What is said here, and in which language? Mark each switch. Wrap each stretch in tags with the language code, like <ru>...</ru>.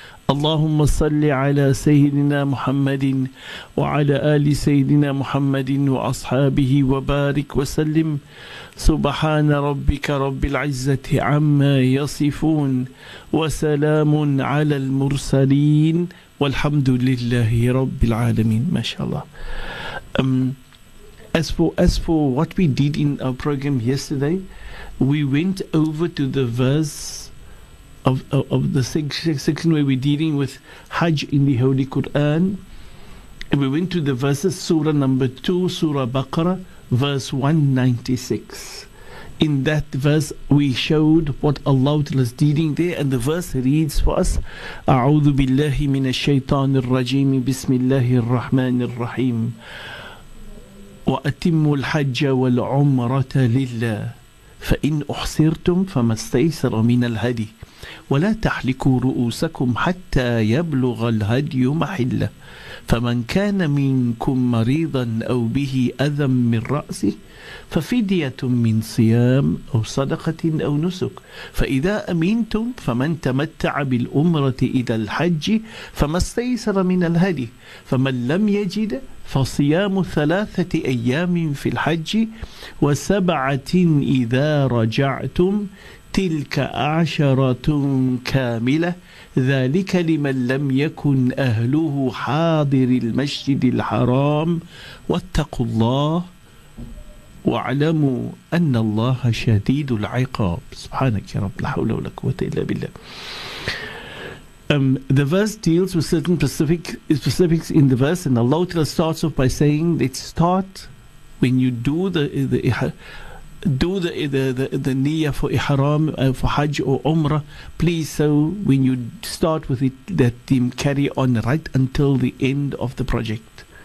<ar>اللهم صل على سيدنا محمد وعلى آل سيدنا محمد وأصحابه وبارك وسلم سبحان ربك رب العزة عما يصفون وسلام على المرسلين والحمد لله رب العالمين ما شاء الله.</ar> <en>As for what we did in our program yesterday, we went over to the verse of the section where we're dealing with Hajj in the Holy Quran, and we went to the verses Surah number 2, Surah Baqarah, verse 196. In that verse, we showed what Allah is dealing there, and the verse reads for us:</en> <ar>"A'udhu billahi min ash-shaytan ar-rajim, bismillahi ar-Rahman ar-Rahim." وأتموا الحج والعمرة لله فإن أحصرتم فما استيسر من الهدي ولا تحلقوا رؤوسكم حتى يبلغ الهدي محله فمن كان منكم مريضا أو به أذى من رأسه ففدية من صيام أو صدقة أو نسك فإذا أمنتم فمن تمتع بالأمرة إلى الحج فما استيسر من الهدي فمن لم يجد فصيام 3 أيام في الحج وسبعة إذا رجعتم تلك 10 كاملة ذلك لمن لم يكن أهله حاضر المسجد الحرام واتقوا الله واعلموا أن الله شديد العقاب. سبحانك يا رب لا حول ولا قوة إلا بالله.</ar> <en>The verse deals with certain specifics in the verse, and Allah Ta'ala starts off by saying it start when you do the niyyah for ihram, for hajj or umrah. Please, so when you start with it, that them carry on right until the end of the project.</en>